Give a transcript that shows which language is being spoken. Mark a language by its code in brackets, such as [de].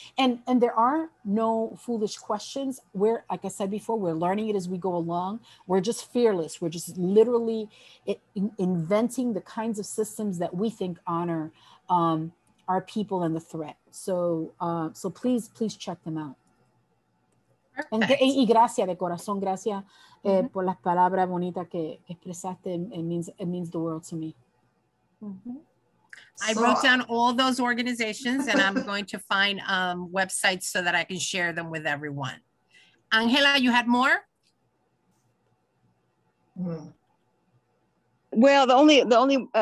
[en] And there are no foolish questions. We're, like I said before, we're learning it as we go along. We're just fearless. We're just literally inventing the kinds of systems that we think honor our people and the threat. So please check them out. Perfect. [es] Y gracias de corazón, gracias por las palabras bonitas que expresaste. [en] It means the world to me. Mm-hmm. I wrote down all those organizations, and I'm going to find websites so that I can share them with everyone. Angela, you had more? Well,